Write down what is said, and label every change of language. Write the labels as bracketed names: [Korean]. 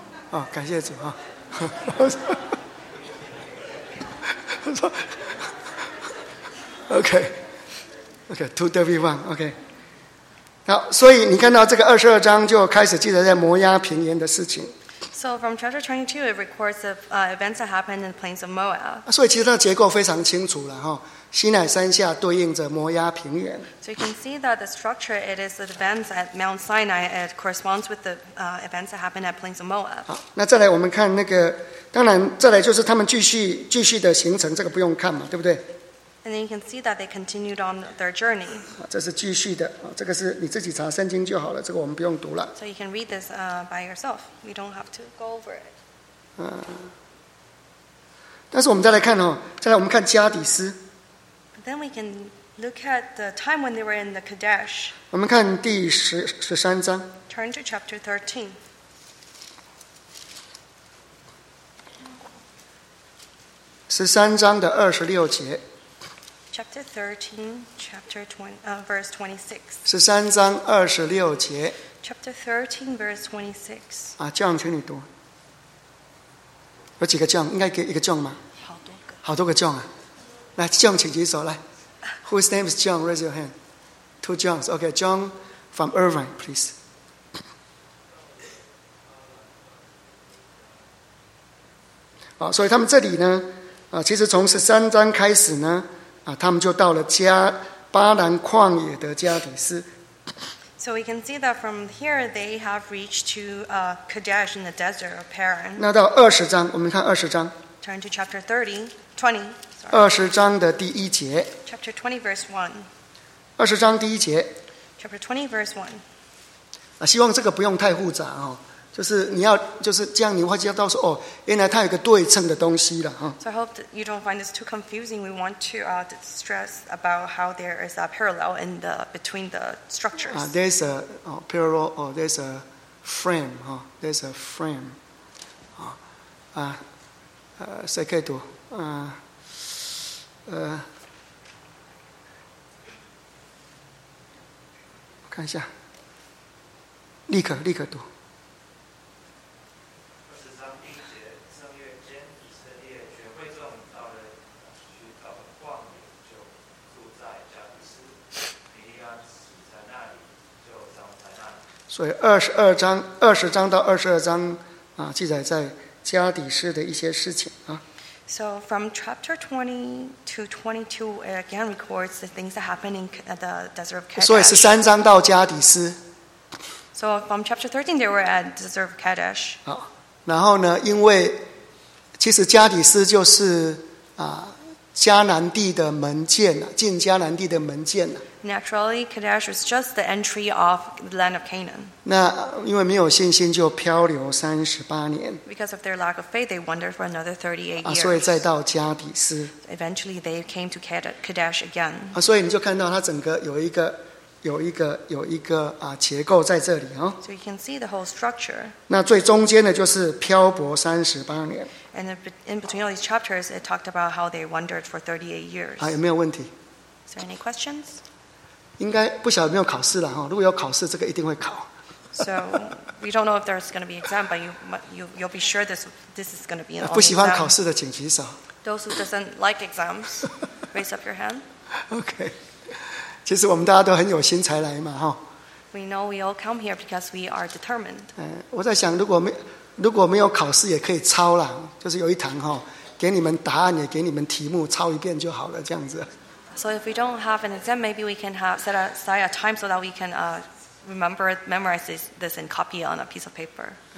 [Chinese] 哦，感谢主啊！ OK， 2 David 1 OK。好，所以你看到这个22章就开始记载在摩押平原的事情。 [English] So from chapter 22, it records of events that happened in the plains of Moab. [Chinese] 所以其实它的结构非常清楚了哈。西乃山下对应着摩押平原。 [English] So you can see that the structure, it is the events at Mount Sinai, it corresponds with the events that happened at Plains of Moab. [Chinese] 好，那再来我们看那个，当然再来就是他们继续的行程，这个不用看嘛，对不对？ [English] And then you can see that they continued on their journey. [Chinese] 这是继续的，这个是你自己查圣经就好了，这个我们不用读了。 [English] So you can read this by yourself. We don't have to go over it. [Chinese] 但是我们再来看哦，再来我们看加底斯。 [English] Then we can look at the time when they were in the Kadesh. [Chinese] 我们看第十三章。 [English] Turn to chapter 13. [Chinese] 13章的26节。 [English] Chapter 13, verse 26. [Chinese] 13章26节。 [English] Chapter 13, verse 26. [Chinese] 啊，这样请你读。有几个John？应该给一个John吗？好多个。好多个John啊！来，John请举手来。 [English] Whose name is John? Raise your hand. Two Johns. Okay, John from Irvine, please. [Chinese] Oh, 所以他们这里呢，其实从十三章开始呢，他们就到了巴兰旷野的加底斯。 [English] So we can see that from here they have reached to Kadesh in the desert of Paran. [Chinese] 那到二十章，我们看二十章。 [English] Turn to chapter 20. [Chinese] 二十章的第一节。 [English] Chapter 20, verse 1. [Chinese] 二十章第一节。 [English] Chapter 20, verse 1. [Chinese] 希望这个不用太复杂哦。就是你要就是这样你会知道说哦原来它有一个对称的东西了、 [English] So I hope that you don't find this too confusing. We want to, to stress about how there is a parallel in the, between the structures. There's a parallel, or there's a frame. There's a frame. [Chinese] 谁可以读？看一下。立刻读。所以二十章到二十二章啊，记载在加底斯的一些事情啊。 [English] So from chapter 20 to 22 again records the things that happened in the desert of Kadesh. [Chinese] 所以十三章到加底斯。 [English] So from chapter 13 they were at the desert of Kadesh. [Chinese] 好，然后呢，因为其实加底斯就是啊迦南地的门见了，进迦南地的门见了。 [English] Naturally, Kadesh was just the entry of the land of Canaan. [Chinese] 那因为没有信心就漂流38年。 [English] Because of their lack of faith, they wandered for another 38 years. [Chinese] 所以再到加底斯。 [English] Eventually, they came to Kadesh again. [Chinese] 所以你就看到它整个有一个结构在这里哦。 [English] So you can see the whole structure. [Chinese] 那最中间的就是漂泊38年。 [English] And in between all these chapters, it talked about how they wandered for 38 years. [Chinese] 有没有问题？ [English] Is there any questions? [Chinese] 应该不晓得有没有考试啦，如果有考试这个一定会考。 [English] So, we don't know if there's going to be exam, but you'll be sure this is going to be an exam. [Chinese] 不喜欢考试的请举手。 [English] Those who doesn't like exams, raise up your hand. Okay. [Chinese] 其实我们大家都很有心才来嘛。 [English] We know we all come here because we are determined. [Chinese] 我在想如果没有考试也可以抄啦，就是有一堂给你们答案也给你们题目抄一遍就好了这样子。 [English] So if we don't have an exam, maybe we can set aside a time so that we can memorize this and copy it on a piece of paper.